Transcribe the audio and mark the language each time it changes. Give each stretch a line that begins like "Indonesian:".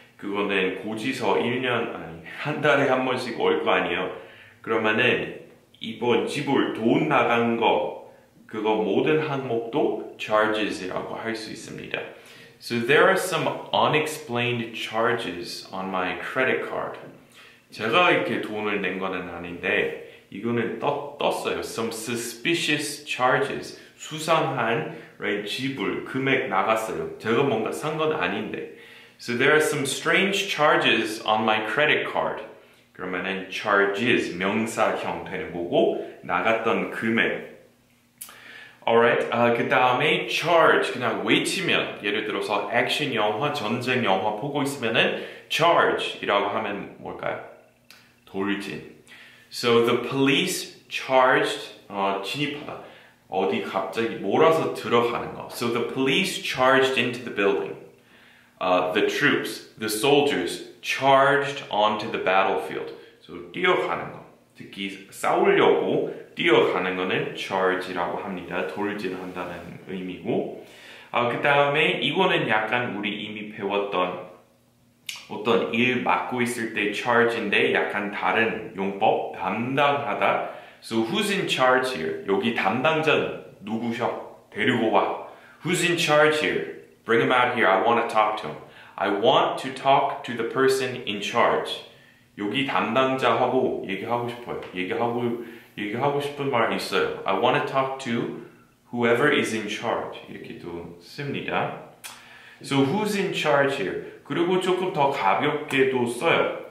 Korean: 그거는 고지서 1년 아니 한 달에 한 번씩 올 거 아니에요. 그러면은 이번 지불 돈 나간 거 그거 모든 항목도 charges이라고 할 수 있습니다.
English: So there are some unexplained charges on my credit card.
Korean: 제가 이렇게 돈을 낸 거는 아닌데 이거는 떴어요.
English: Some suspicious charges.
Korean: 수상한
English: right,
Korean: 지불 금액 나갔어요. 제가 뭔가 산 건 아닌데.
English: So there are some strange charges on my credit card.
Korean: 그러면은 charges 명사형 되는 거고 나갔던 금액. Alright, 그 다음에 charge 그냥 외치면 예를 들어서 액션 영화, 전쟁 영화 보고 있으면은 charge 이라고 하면 뭘까요? 돌진.
English: So the police charged
Korean: 진입하다. 어디 갑자기 몰아서 들어가는 거.
English: So the police charged into the building. The troops, the soldiers charged onto the battlefield.
Korean: So 뛰어가는 거. 특히 싸우려고 뛰어가는 거는 charge이라고 합니다. 돌진한다는 의미고. 그 다음에 이거는 약간 우리 이미 배웠던 어떤 일 맡고 있을 때 charge인데 약간 다른 용법, 담당하다.
English: So who's in charge here?
Korean: 여기 담당자 누구셔? 데리고 와.
English: Who's in charge here? Bring him out here. I want to talk to him. I want to talk to the person in charge.
Korean: 여기 담당자하고 얘기하고 싶어요. 얘기하고 싶은 말 있어요.
English: I want to talk to whoever is in charge.
Korean: 이렇게도 씁니다.
English: So who's in charge here?
Korean: 그리고 조금 더 가볍게도 써요.